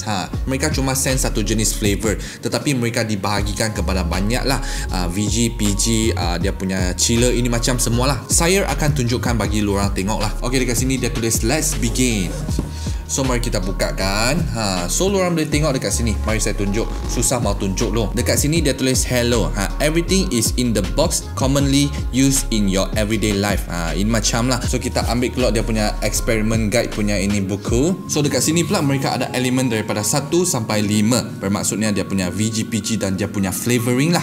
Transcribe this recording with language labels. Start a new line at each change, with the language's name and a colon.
Malay: Ha, mereka cuma send satu jenis flavor, tetapi mereka dibahagikan kepada banyak lah. VG, PG, dia punya chiller, ini macam semualah. Saya akan tunjukkan bagi lorang tengok lah. Okay, dekat sini dia tulis
English: let's begin.
Malay: So mari kita buka kan. Ha, so lorang boleh tengok dekat sini. Mari saya tunjuk. Susah mau tunjuk lo. Dekat sini dia tulis hello.
English: Ha, everything is in the box commonly used in your everyday life.
Malay: Ha, ini macam lah. So kita ambil keluar dia punya experiment guide punya ini buku. So dekat sini pula mereka ada elemen daripada 1 sampai 5. Bermaksudnya dia punya VGPG dan dia punya flavoring lah.